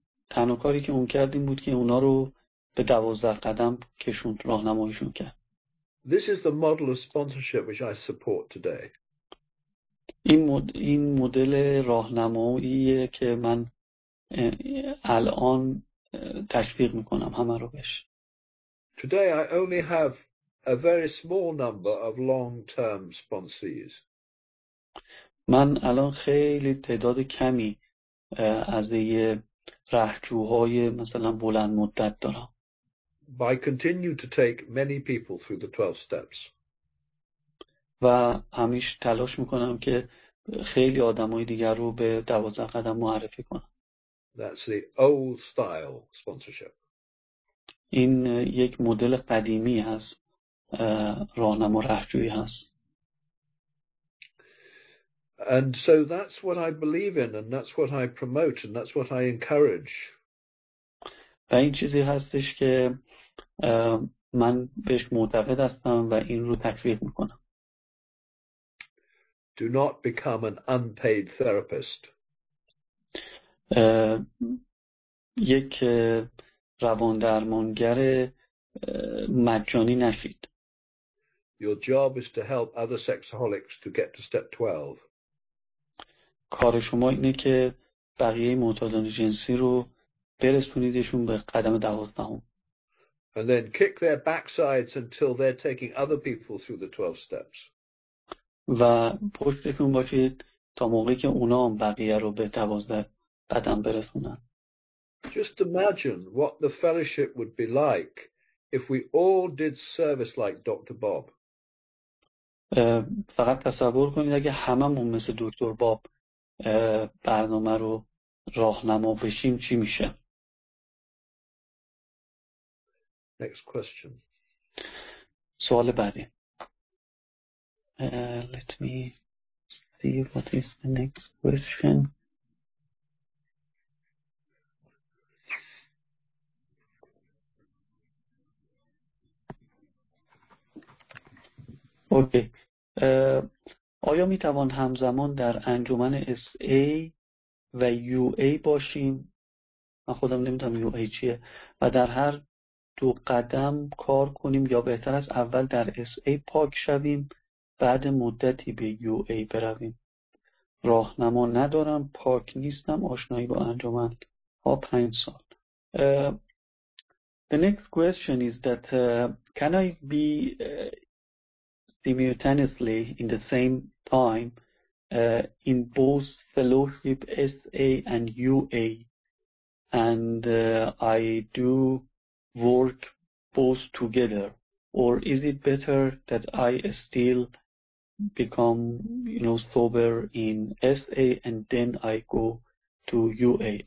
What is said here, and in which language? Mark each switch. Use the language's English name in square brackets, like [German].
[Persian] تنها کاری که اون کرد این بود که اونا رو به 12 قدم کشوند، راهنماییشون کرد. [English] This is the model of sponsorship which I support today. [Persian] این مدل راهنماییه که من الان تشویق میکنم همه رو بهش. [English] Today I only have a very small number of long-term sponsors. [Persian] من الان خیلی تعداد کمی از یه رهجوهای مثلا بلند مدت دارم. [English] I continue to take many people through the 12 steps. [Persian] و همیشه تلاش میکنم که خیلی آدمای دیگر رو به 12 قدم معرفی کنم. [English] That's the old style sponsorship. [Persian] این یک مدل قدیمی هست، راهنما رهجویی هست. [English] And so that's what I believe in and that's what I promote and that's what I encourage. [Persian] و این چیزی هستش که من بهش معتقد هستم و این رو تکفیر میکنم. [English] do not become an unpaid therapist. [Persian] یک روان درمانگر مجانی نشید. [English] Your job is to help other sexaholics to get to step 12. [Persian] کار شما اینه که بقیه معتادان جنسی رو برسونیدشون به قدم 12. [English] And then kick their backsides until they're taking other people through the 12 steps. [Persian] و پشتشون باشید تا موقعی که اونا هم بقیه رو به 12 قدم برسونن. [English] Just imagine what the fellowship would be like if we all did service like Dr. Bob. [Persian] فقط تصور کنید اگه هممون مثل دکتر باب برنامه رو راهنما بشیم چی میشه. [English] Next question. [Persian] سوال بعدی. [English] Let me see what is the next question. Okay. [Persian] آیا می توان همزمان در انجمن SA و UA باشیم؟ من خودم نمیدونم UA چیه و در هر دو قدم کار کنیم یا بهتر است اول در SA پاک شویم بعد مدتی به UA برویم؟ راهنما ندارم، پاک نیستم، آشنایی با انجمن ها 5 سال. [English] The next question is that can I be simultaneously in the same time in both fellowship SA and UA, and I do work both together, or is it better that I still become, you know, sober in SA and then I go to UA?